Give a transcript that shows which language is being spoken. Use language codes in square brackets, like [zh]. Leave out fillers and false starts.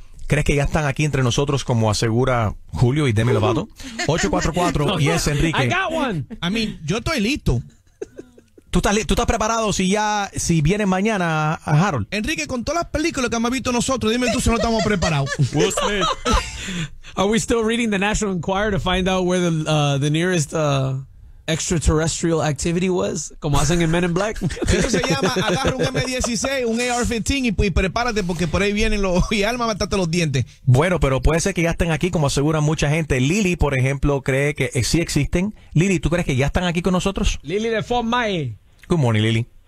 [es] ¿Crees que ya están aquí entre nosotros, como asegura Julio y Demi Lovato? 844 y es Enrique. [en] I got one. I mean, [es] yo estoy listo. ¿Tú estás preparado si vienen mañana a Harold? Enrique, con todas las películas que hemos visto nosotros, dime tú si no estamos preparados. [en] Will Smith. Are we still reading the National Enquirer to find out where the nearest extraterrestrial activity was? [es] Como hacen en Men in Black. Eso se llama agarra un M16, un AR-15 y prepárate porque por ahí vienen los y alma a matarte los dientes. Bueno, pero puede ser que ya estén aquí, como aseguran mucha gente. Lily, por ejemplo, cree que sí existen. Lily, ¿tú crees que ya están aquí con nosotros? Lily de Fort Myers. [en] Good morning, Lily.